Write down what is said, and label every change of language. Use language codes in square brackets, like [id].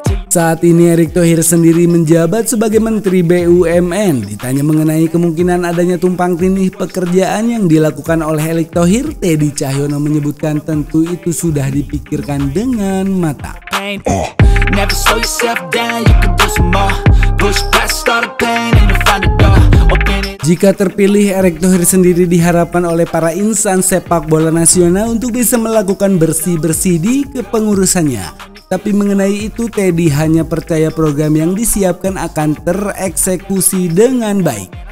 [id] Saat ini Erick Thohir sendiri menjabat sebagai Menteri BUMN. Ditanya mengenai kemungkinan adanya tumpang tindih pekerjaan yang dilakukan oleh Erick Thohir, Teddy Cahyono menyebutkan tentu itu sudah dipikirkan dengan matang. [en] Never slow yourself down, you can do some more. Push past all the pain and you'll find the door. [id] Jika terpilih, Erick Thohir sendiri diharapkan oleh para insan sepak bola nasional untuk bisa melakukan bersih-bersih di kepengurusannya. Tapi mengenai itu, Teddy hanya percaya program yang disiapkan akan tereksekusi dengan baik.